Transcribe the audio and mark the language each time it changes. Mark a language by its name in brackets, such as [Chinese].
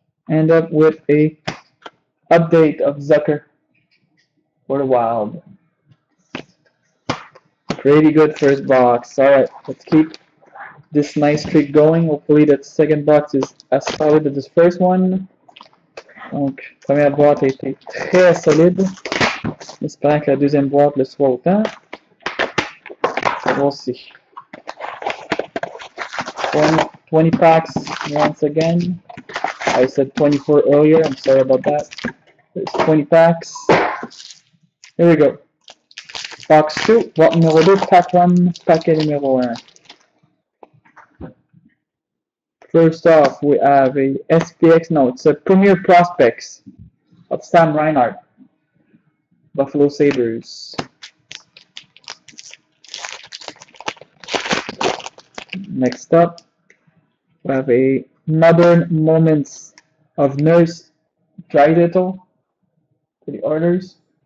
[English] End up with a update of Zucker for the Wild. Pretty good first box. All right, let's keep this nice streak going. Hopefully that second box is as solid as this first one. [French] Donc, première boîte était très solide. J'espère que la deuxième boîte le soit autant. C'est bon aussi. [English] 20 packs once again. I said 24 earlier, I'm sorry about that. There's 20 packs. Here we go. Box 2, box numéro 2, pack 1, packet numéro 1. First off, we have a SPX, no, it's a Premier Prospects of Sam Reinhardt, Buffalo Sabres. Next up, we have a Modern Moments of Nurse Dreisaitl for the Oilers.